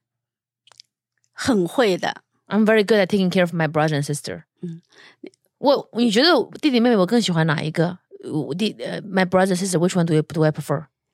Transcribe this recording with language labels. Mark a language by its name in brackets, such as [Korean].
[Chinese] 那挺好，反正。对，我小时候会照顾妹妹吗？弟弟妹妹吗？很会的。 [English] I'm very good at taking care of my brother and sister. [Chinese] 你觉得弟弟妹妹我更喜欢哪一个? [English] My brother and sister, which one do I prefer?